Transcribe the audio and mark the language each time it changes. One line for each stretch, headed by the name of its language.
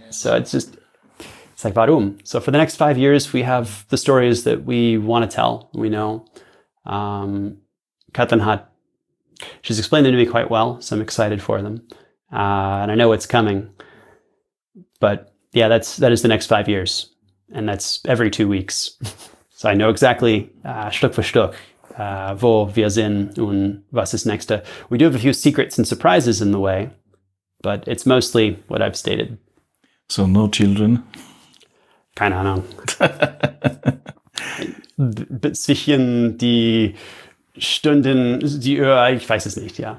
English: So it's just, it's like, varum. So for the next 5 years, we have the stories that we want to tell, we know. Katanhat, she's explained them to me quite well, so I'm excited for them. And I know what's coming. But yeah, that is the next 5 years. And that's every 2 weeks. So I know exactly,
German: Stück für Stück, wo wir sind und was ist nächste.
English: We do have a few secrets and surprises in the way, but it's mostly what I've stated. So no children?
German: Keine Ahnung. Bisschen die Stunden, die Uhr, ich weiß es nicht, ja.